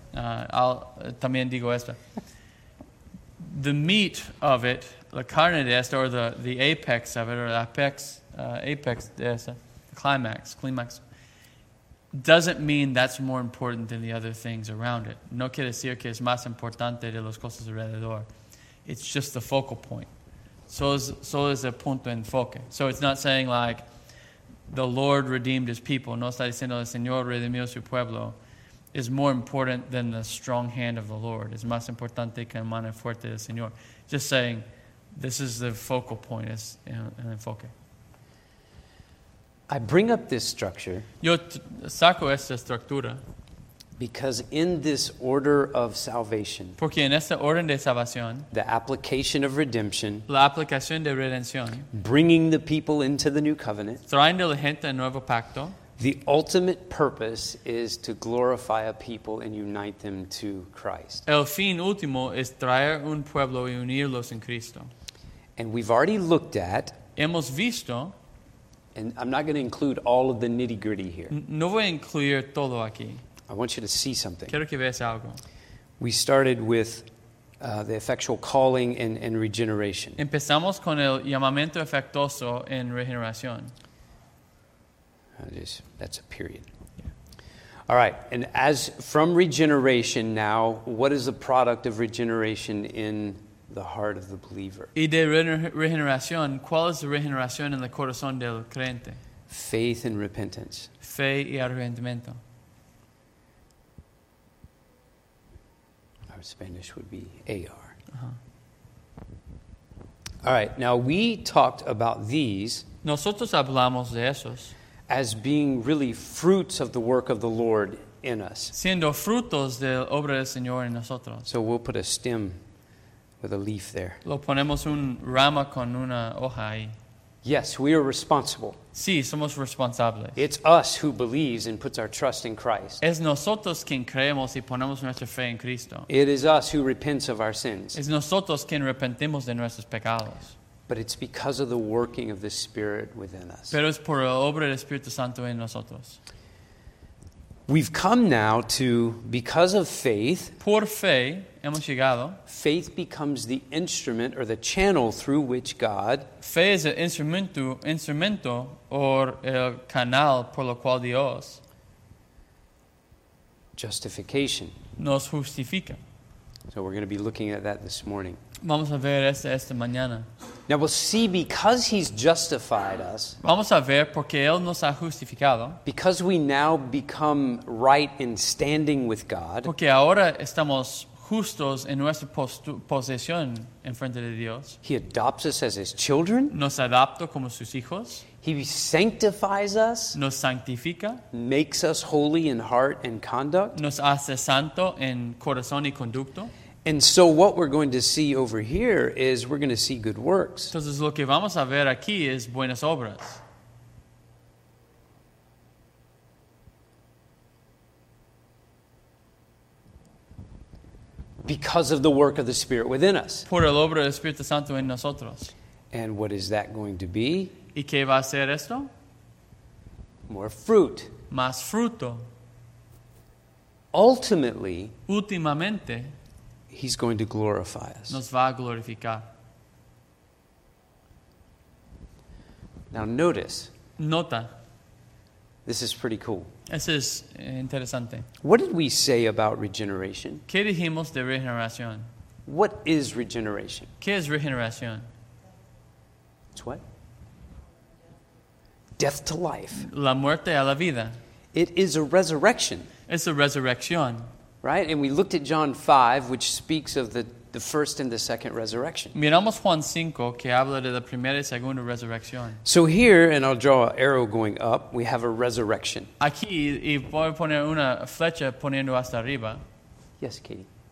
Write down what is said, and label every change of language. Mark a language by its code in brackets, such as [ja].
[es] También digo esto. [en] The meat of it, [es] la carne de esto, [en] or the apex of it, or the apex [es] de esto, [en] climax. Doesn't mean that's more important than the other things around it. [es] No quiere decir que es más importante de las cosas alrededor. [en] It's just the focal point. So is [es] el punto de enfoque. [en] So it's not saying like, the Lord redeemed his people. [es] No está diciendo el Señor redimió su pueblo. [en] Is more important than the strong hand of the Lord. [es] Es más importante que la mano fuerte del Señor. [en] Just saying, this is the focal point. [es] Es el enfoque. [en] I bring up this structure. [es] Yo saco esta estructura. [en] Because in this order of salvation. [es] Porque en esta orden de salvación. [en] The application of redemption. [es] La aplicación de redención. [en] Bringing the people into the new covenant. [es] Trayendo la gente al nuevo pacto. [en] The ultimate purpose is to glorify a people and unite them to Christ. [es] El fin último es traer un pueblo y unirlos en Cristo. [en] And we've already looked at. [es] Hemos visto. [en] And I'm not going to include all of the nitty-gritty here. [es] No voy a incluir todo aquí. [en] I want you to see something. [es] Quiero que veas algo. [en] We started with the effectual calling and regeneration. [es] Empezamos con el llamamiento efectuoso en regeneración. [en] That's a period. Yeah. All right. And as from regeneration now, what is the product of regeneration in the heart of the believer? [es] Y de regeneración, ¿cuál es la regeneración en el corazón del creyente? [en] Faith and repentance. [es] Fe y arrepentimiento. [en] Our Spanish would be AR. All right. Now we talked about these. [es] Nosotros hablamos de esos. [en] As being really fruits of the work of the Lord in us. [es] Siendo frutos de la obra del Señor en nosotros. [en] So we'll put a stem with a leaf there. [es] Lo ponemos un rama con una hoja ahí. [en] Yes, we are responsible. [es] Sí, somos responsables. [en] It's us who believes and puts our trust in Christ. [es] Es nosotros quien creemos y ponemos nuestra fe en Cristo. [en] It is us who repents of our sins. [es] Es nosotros quien arrepentimos de nuestros pecados. [en] But it's because of the working of the Spirit within us. [es] Pero es por la obra del Espíritu Santo en nosotros. [en] We've come now to, because of faith, [es] por fe hemos llegado. [en] Faith becomes the instrument or the channel through which God, [es] fe es el instrumento o el canal por lo cual Dios, [en] justification, [es] nos justifica. [en] So we're going to be looking at that this morning. [es] Vamos a ver esta mañana. [en] Now we'll see, because he's justified us, [es] vamos a ver porque él nos ha justificado, [en] because we now become right in standing with God, [es] porque ahora estamos justos en nuestra posición en frente de Dios, [en] he adopts us as his children, [es] nos adopta como sus hijos, [en] he sanctifies us, [es] nos sanctifica, [en] makes us holy in heart and conduct, [es] nos hace santo en corazón y conducto. [en] And so what we're going to see over here is we're going to see good works. [es] Entonces lo que vamos a ver aquí es buenas obras. [en] Because of the work of the Spirit within us. [es] Por la obra del Espíritu Santo en nosotros. [en] And what is that going to be? [es] ¿Y qué va a ser esto? [en] More fruit. [es] Más fruto. [en] Ultimately. [es] Últimamente. [en] He's going to glorify us. [es] Nos va a glorificar. [en] Now notice. [es] Nota. [en] This is pretty cool. [es] Eso es interesante. [en] What did we say about regeneration? [es] ¿Qué dijimos de regeneración? [en] What is regeneration? [es] ¿Qué es regeneración? [en] It's what? Death to life. [es] La muerte a la vida. [en] It is a resurrection. [es] Es la resurrección. [en] Right, and we looked at John 5, which speaks of the first and the second resurrection. [es] Miramos Juan 5, que habla de la primera y segunda resurrección. [en] So here, and I'll draw an arrow going up, we have a resurrection. [es] Aquí, y voy a poner una flecha poniendo hasta arriba. [en] Yes, Katie.